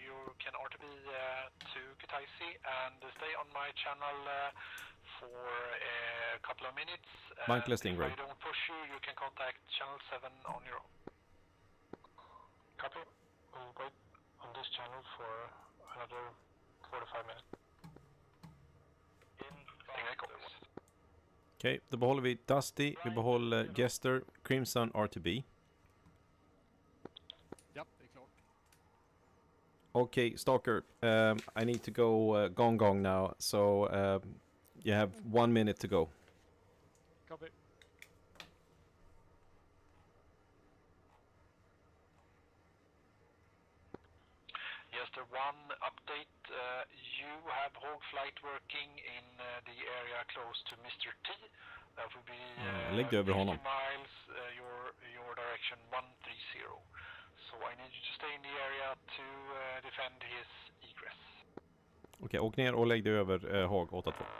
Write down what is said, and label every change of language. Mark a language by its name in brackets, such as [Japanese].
[English] You can RTB to Kutaisi and stay on my channel for a couple of minutes. Bankless if I don't push you, you can contact channel 7 on your own. Copy. We'll wait on this channel for another 45 minutes. [Swedish] Okej, då behåller vi Dusty, vi behåller Jester, Crimson, RTB. [English] Okay, Stalker, I need to go gong-gong now, so you have 1 minute to go. Copy. Yes, the one update. You have Hog Flight working in the area close to Mr. T. That would be [Swedish] Ligg över honom. [English] Miles, your direction 130. So I need you to stay in the area to defend his egress. [Swedish] Okej, åk ner och lägg dig över Hag 8-2.